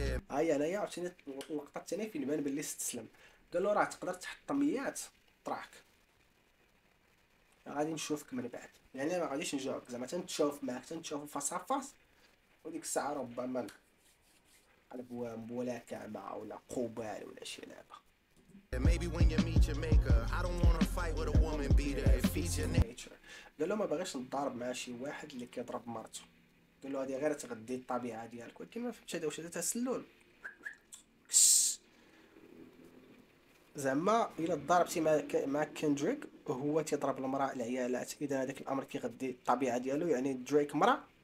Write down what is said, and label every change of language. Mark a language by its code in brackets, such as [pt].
[ar] هاي انايا عاوتاني اللقطة التانية فين بان بلي استسلم، قال له راه تقدر تحط ميات تراك، غادي نشوفك من بعد، يعني ما غاديش نجاوبك زعما تنتشوف معاك تنتشوف فاس فاس، وديك الساعة ربما قلب ولا كعبة ولا قبال ولا شي لعبة. [en] Maybe when you meet Jamaica, I don't wanna fight with a woman beater. It feeds your nature. [ar] قال له ما بغيش نضرب مع شي واحد اللي كيضرب مرته، قال له هذه غير تغذي الطبيعه ديالك، ولكن ما فهمتش هذا واش هذا تسلل زعما الا ضربتي مع كيندريك وهو تيضرب المراه العيالات، اذا هذاك الامر كيغذي الطبيعه ديالو، يعني دريك مراه